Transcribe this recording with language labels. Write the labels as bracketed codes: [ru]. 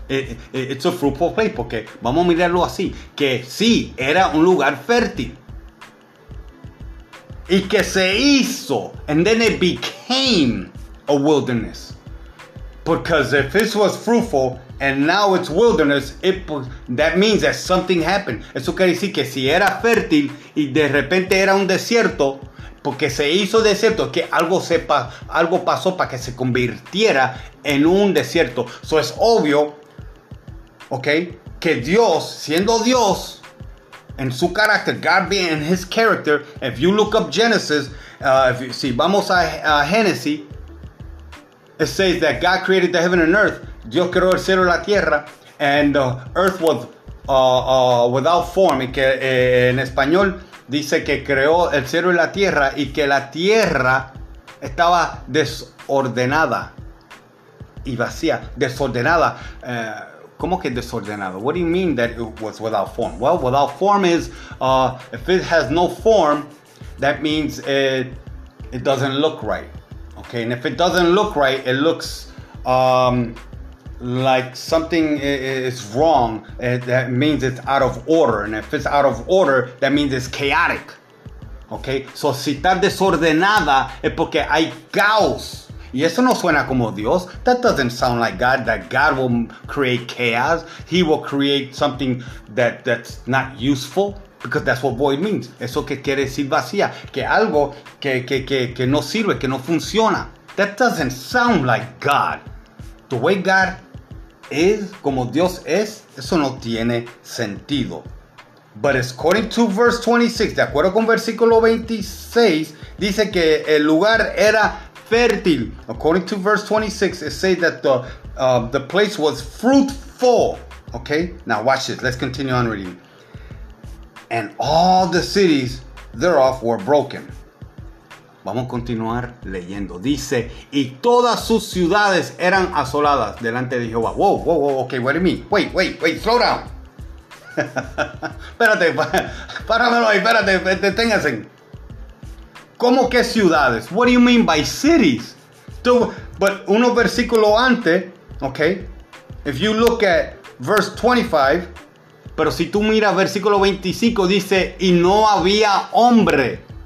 [es] It's a fruitful place. Porque vamos a mirarlo así. Que sí, era un lugar fértil. [en] Y que se hizo. And then it became a wilderness. Because if this was fruitful and now it's wilderness, that means that something happened. [es] Eso quiere decir que si era fértil y de repente era un desierto, porque se hizo desierto, que algo pasó para que se convirtiera en un desierto. [en] So es obvio, okay, que Dios, siendo Dios, en su carácter, God being in his character, if you look up Genesis, si vamos a Génesis, it says that God created the heaven and earth. [es] Dios creó el cielo y la tierra. And the earth was without form. Y que en español dice que creó el cielo y la tierra. Y que la tierra estaba desordenada y vacía. Desordenada. ¿Cómo que desordenada? [en] What do you mean that it was without form? Well, without form is, if it has no form, that means it doesn't look right. Okay, and if it doesn't look right, it looks like something is wrong. That means it's out of order. And if it's out of order, that means it's chaotic. [es] Okay, so si está desordenada es porque hay caos. Y eso no suena como Dios. [en] That doesn't sound like God, that God will create chaos. He will create something that's not useful. [es] Because that's what void means. Eso que quiere decir vacía. Que algo que no sirve, que no funciona. [en] That doesn't sound like God. The way God is, como Dios es, eso no tiene sentido. [es] But according to verse 26, de acuerdo con versículo 26, dice que el lugar era fertile. [en] According to verse 26, it says that the place was fruitful. Okay, now watch this. Let's continue on reading. And all the cities thereof were broken. [es] Vamos a continuar leyendo. Dice, y todas sus ciudades eran asoladas delante de Jehová. [en] Whoa, whoa, whoa, okay, what do you mean? Wait, wait, wait, slow down. Espérate, páramelo ahí, espérate, deténganse. [es] ¿Cómo que ciudades? What do you mean by cities? But uno versículo antes, okay, if you look at verse 25, pero si tú miras versículo 25, dice, y no había hombre.